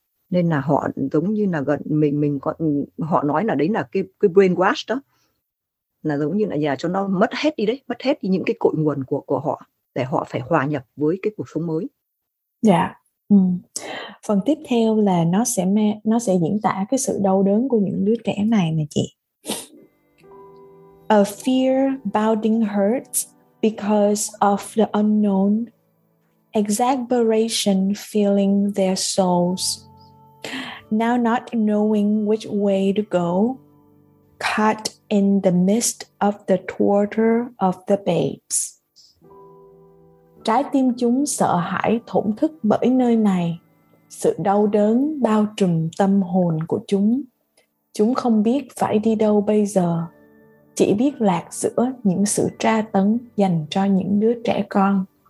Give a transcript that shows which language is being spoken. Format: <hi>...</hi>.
<vi>Nên là họ giống như là gần mình có, họ nói là đấy là cái brainwash đó, là giống như là nhà cho nó mất hết đi đấy, mất hết đi những cái cội nguồn của họ để họ phải hòa nhập với cái cuộc sống mới. Dạ. Ừ. Phần tiếp theo là nó sẽ diễn tả cái sự đau đớn của những đứa trẻ này nè chị.</vi> <en>A fear bounding hurt because of the unknown, exasperation filling their souls. Now not knowing which way to go, caught in the midst of the torture of the babes.</en> <vi>Trái tim chúng sợ hãi thổn thức bởi nơi này, sự đau đớn bao trùm tâm hồn của chúng. Chúng không biết phải đi đâu bây giờ, chỉ biết lạc giữa những sự tra tấn dành cho những đứa trẻ con.</vi>